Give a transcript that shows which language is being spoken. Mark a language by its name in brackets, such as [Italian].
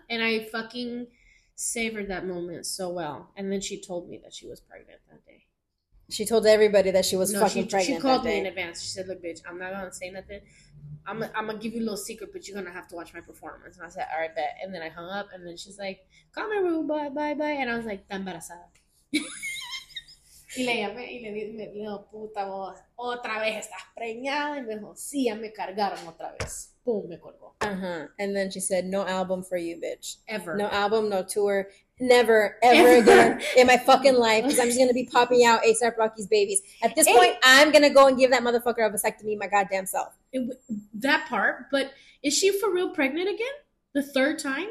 [English] And I fucking savored that moment so well. And then she told me that she was pregnant that day. She told everybody that she was pregnant. She called me in advance. She said, look, bitch, I'm not going to say nothing. I'm going to give you a little secret, but you're going to have to watch my performance. And I said, all right, bet. And then I hung up, and then she's like, call my room, bye, bye, bye. And I was like, [Spanish] está embarazada. Y le llamé y le dije, puta voz, otra vez estás preñada. Y me dijo, sí, ya me cargaron otra vez. Boom, me colgó. Uh-huh. [English] And then she said, no album for you, bitch. Ever. No album, no tour. Never, ever again in my fucking life. Because I'm just going to be popping out ASAP Rocky's babies. At this point, I'm going to go and give that motherfucker a vasectomy my goddamn self. That part, but is she for real pregnant again? The third time?